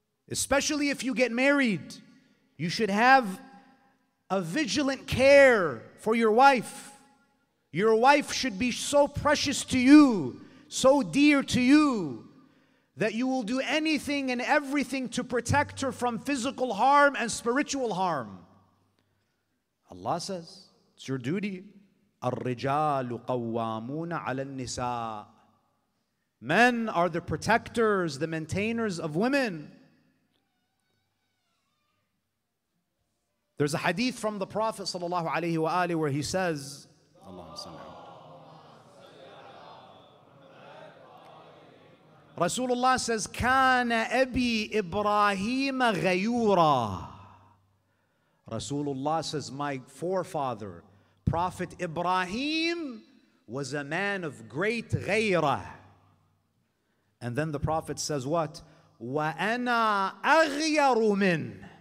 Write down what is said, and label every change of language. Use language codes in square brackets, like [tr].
[en] Especially if you get married, you should have a vigilant care for your wife. Your wife should be so precious to you, so dear to you, that you will do anything and everything to protect her from physical harm and spiritual harm. Allah says, it's your duty. [ar] الرجال قوامون على النساء. [en] Men are the protectors, the maintainers of women. There's a hadith from the Prophet sallallahu alaihi wa alihi where he says, [ar] Allahumma salli ala Muhammad. [en] Rasulullah says, [ar] كان أبي إبراهيم غيورا. [en] Rasulullah says, my forefather, Prophet Ibrahim, was a man of great ghayrah. And then the Prophet says what? [ar] وَأَنَا أَغْيَرُ مِنْ.